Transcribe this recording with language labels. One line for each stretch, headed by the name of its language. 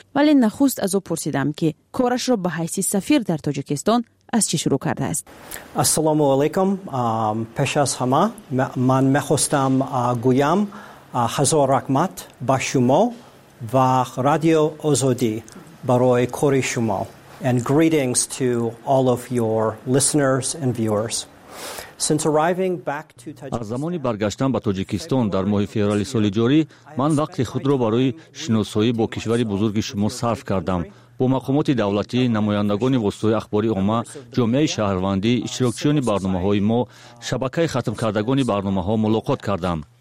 Persian: ولی نخست از او پرسیدم که کارش را به حیث سفیر در تاجیکستان از چی شروع کرده است؟ السلام علیکم. پیش از همه من میخواستم گویم هزار رحمت با شما و رادیو آزادی برای کار شما.
English: And greetings to all of your listeners and viewers. Since arriving back to Tajikistan,
Persian: از زمانی برگشتم به تاجیکستان در ماه فوریه سال جاری، من وقت خود را برای شناسایی با کشور بزرگ شما صرف کردم. با مقامات دولتی، نمایندگان واسطه اخباری عامه، جامعه شهروندی، اشتراکچیان برنامه‌های ما، شبکه ختم کردگان برنامه‌ها ملاقات کردم.